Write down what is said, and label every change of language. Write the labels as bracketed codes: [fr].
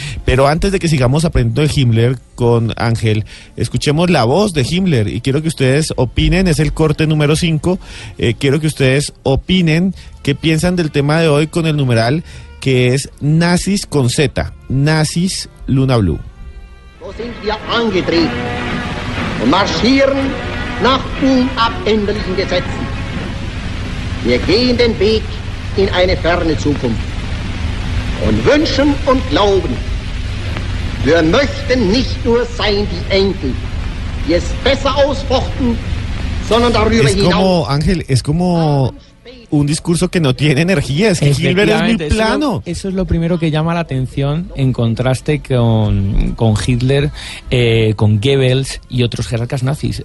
[es] Pero antes de que sigamos aprendiendo de Himmler con Ángel, escuchemos la voz de Himmler y quiero que ustedes opinen, es el corte número 5, quiero que ustedes opinen qué piensan del tema de hoy con el numeral que es nazis con Z, nazis Luna Blu. [de] So sind wir angetreten und marschieren nach unabänderlichen Gesetzen. Wir gehen den Weg in eine ferne Zukunft und wünschen und glauben, wir möchten nicht nur sein die Enkel, die es besser ausfochten, sondern darüber hinaus. [es] Es como Ángel, es como un discurso que no tiene energía, es que Hitler es muy plano. Eso es lo primero que llama la atención en contraste con Hitler, con Goebbels y otros jerarcas nazis.